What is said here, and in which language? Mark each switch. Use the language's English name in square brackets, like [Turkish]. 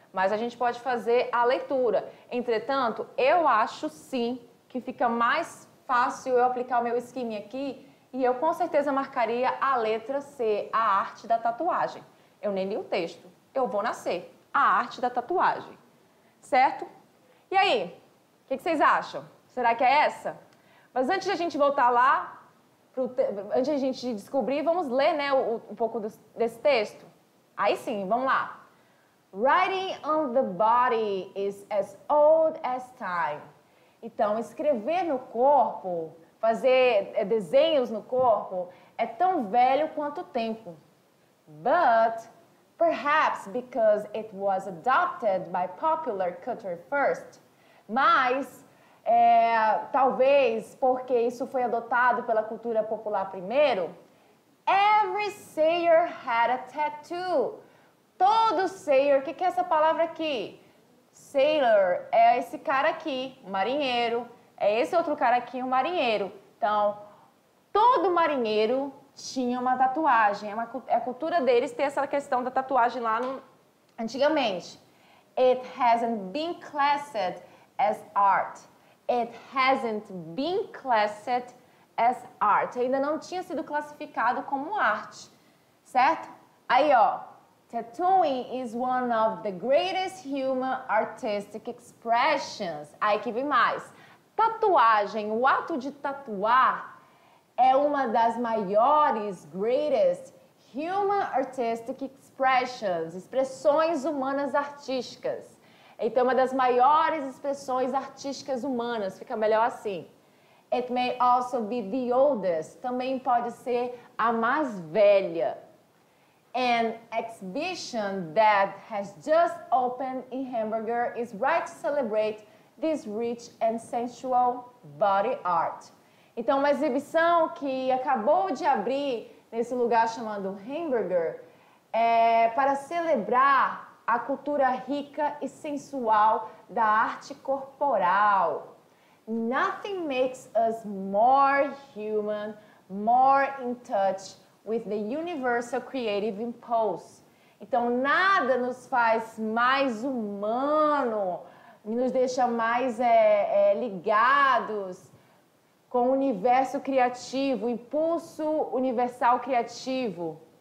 [Portuguese] Mas a gente pode fazer a leitura. Entretanto, eu acho sim que fica mais fácil eu aplicar o meu esquema aqui e eu com certeza marcaria a letra C, a arte da tatuagem. Eu nem li o texto. Eu vou na C, a arte da tatuagem. Certo? E aí, o que vocês acham? Será que é essa? Mas antes de a gente voltar lá, antes de a gente descobrir, vamos ler, né, um pouco desse texto? Aí sim, vamos lá. [English] Writing on the body is as old as time. [Portuguese] Então, escrever no corpo, fazer desenhos no corpo, é tão velho quanto o tempo. [English] But, perhaps because it was adopted by popular culture first. [Portuguese] Mas, talvez porque isso foi adotado pela cultura popular primeiro. [English] Every sailor had a tattoo. [Portuguese] Todo sailor, o que é essa palavra aqui? Sailor é esse cara aqui, marinheiro. É esse outro cara aqui, um marinheiro. Então, todo marinheiro tinha uma tatuagem. É a cultura deles ter essa questão da tatuagem lá antigamente. [English] It hasn't been classed as art. It hasn't been classed as art. [Portuguese] Ainda não tinha sido classificado como arte. Certo? Aí, ó. [English] Tattooing is one of the greatest human artistic expressions. [Portuguese] Aí que vem mais. Tatuagem, o ato de tatuar, é uma das maiores, [English] greatest human artistic expressions. [Portuguese] Expressões humanas artísticas. Então, uma das maiores expressões artísticas humanas. Fica melhor assim. [English] It may also be the oldest. [Portuguese] Também pode ser a mais velha. [English] An exhibition that has just opened in Hamburger is right to celebrate this rich and sensual body art. [Portuguese] Então, uma exibição que acabou de abrir nesse lugar chamado Hamburger é para celebrar a cultura rica e sensual da arte corporal. [English] Nothing makes us more human, more in touch with the universal creative impulse. [Portuguese] Então, nada nos faz mais humano, nos deixa mais ligados com o universo criativo, o impulso universal criativo.